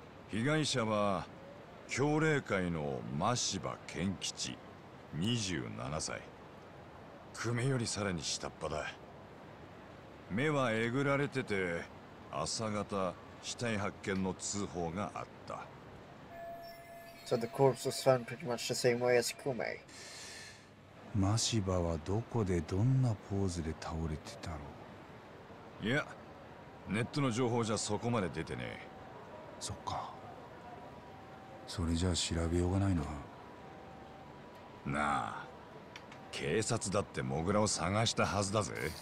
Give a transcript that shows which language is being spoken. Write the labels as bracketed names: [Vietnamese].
[Japanese] 被害者は教令会の真柴健吉、27歳。久米よりさらに下っ端だ。目はえぐられてて、朝方死体発見の通報があった。 [English] So the corpse was found pretty much the same way as Kume. [Japanese] 真柴はどこでどんなポーズで倒れてたろう。いや、ネットの情報じゃそこまで出てねえ。そっか、それじゃあ調べようがないな。なあ、警察だってモグラを探したはずだぜ。